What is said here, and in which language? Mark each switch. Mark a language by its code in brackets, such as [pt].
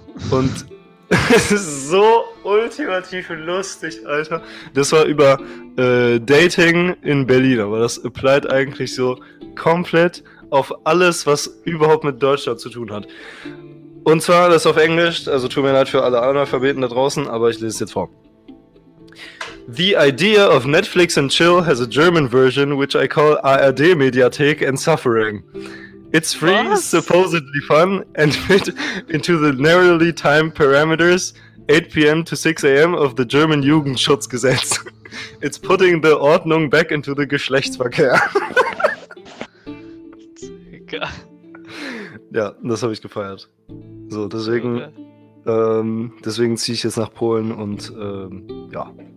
[de] Und es ist so ultimativ lustig, Alter. Das war über Dating in Berlin, aber das applied eigentlich so komplett auf alles, was überhaupt mit Deutschland zu tun hat. Und zwar das auf Englisch, also tut mir leid für alle Analphabeten da draußen, aber ich lese es jetzt vor. [en] The idea of Netflix and chill has a German version, which I call ARD Mediathek and Suffering. It's free, what? Supposedly fun, and fit into the narrowly timed parameters 8 p.m. to 6 a.m. of the German Jugendschutzgesetz. It's putting the Ordnung back into the Geschlechtsverkehr. [de] Ja, das habe ich gefeiert. So, deswegen, okay. Deswegen ziehe ich jetzt nach Polen und ja.